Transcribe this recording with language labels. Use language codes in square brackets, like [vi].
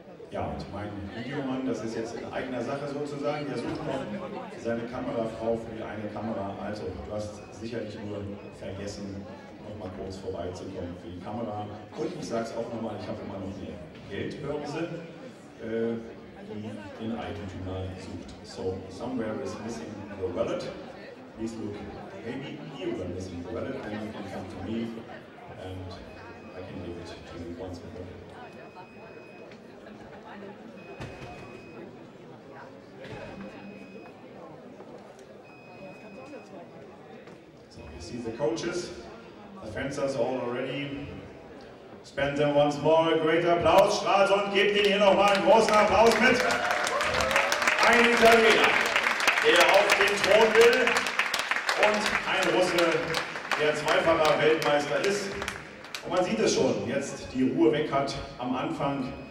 [de] Ja, und mein Videomann, das ist jetzt in eigener Sache sozusagen, der sucht noch seine Kamerafrau für die eine Kamera. Also, du hast sicherlich nur vergessen, nochmal kurz vorbeizukommen für die Kamera. Und ich sag's auch nochmal, ich habe immer noch eine Geldbörse, die den Eigentümer sucht. [en] So, somewhere is missing your wallet. Please look, maybe you are missing your wallet, then you can come to me and I can give it to you once again. So you see the coaches, the fencers are all ready. Spend them once more a great applause. [de] Stralsund, gebt ihnen hier nochmal einen großen Applaus mit. Ein Italiener, der auf den Thron will, und ein Russe, der zweifacher Weltmeister ist. Und man sieht es schon, jetzt die Ruhe weg hat am Anfang.